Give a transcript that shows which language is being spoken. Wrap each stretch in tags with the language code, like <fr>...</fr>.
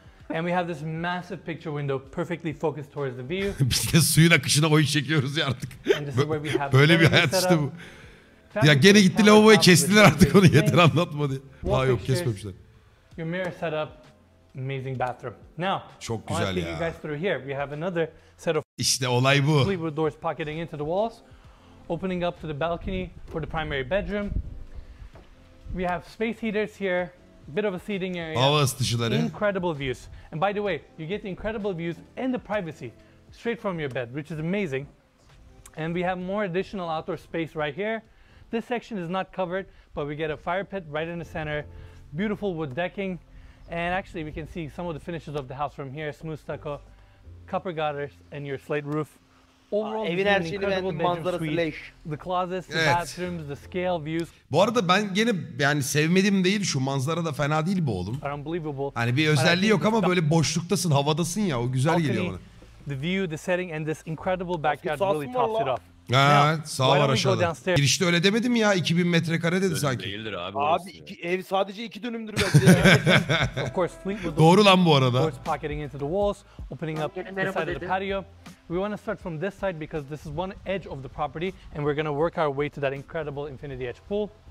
<en>And we have this massive picture window perfectly focused towards the view.</en> <tr>Biz de suyun akışına oyun çekiyoruz ya artık. Böyle bir hayat işte bu. Ya gene gitti lavaboya kestiler artık onu yeter anlatma diye. Daha yok kesmemişler.</tr> <en>Your mirror setup, amazing bathroom. Now,</en> <tr>çok güzel ya.</tr> <en>You guys through here. We have another set of</en> <tr>İşte olay bu.</tr> <en>Fleetwood doors pocketing into the walls, opening up to the balcony for the primary bedroom. We have space heaters here. Bit of a seating area.</en> <tr>Hava ısıtıcıları.</tr> <en>Incredible views. And by the way, you get the incredible views and the privacy straight from your bed, which is amazing. And we have more additional outdoor space right here. This section is not covered, but we get a fire pit right in the center. Beautiful wood decking. And actually, we can see some of the finishes of the house from here. Smooth stucco, copper gutters, and your slate roof.</en> <tr>Overall, evin her şeyini beğendim. Manzarası leş.</tr> <en>The closets, the bathrooms, the scale views.</en> <tr>Bu arada ben gene yani sevmediğim değil, şu manzara da fena değil bu oğlum.</tr> <en>Unbelievable.</en> <tr>Hani bir özelliği yok ama böyle boşluktasın, havadasın ya, o güzel geliyor bana.</tr> <en>The view, the setting and this incredible backyard really tops it off.</en> <tr>Evet, sağ var aşağıda. Girişte öyle demedim ya, 2000 metrekare dedi sanki. Değildir abi. Abi iki, ev sadece iki dönümdür bence. Doğru lan bu arada.</tr> <en>Pocketing into the walls, opening up the side of the patio. We want to start from this side because this is one edge of the property and we're going to work our way to that incredible infinity edge pool.</en>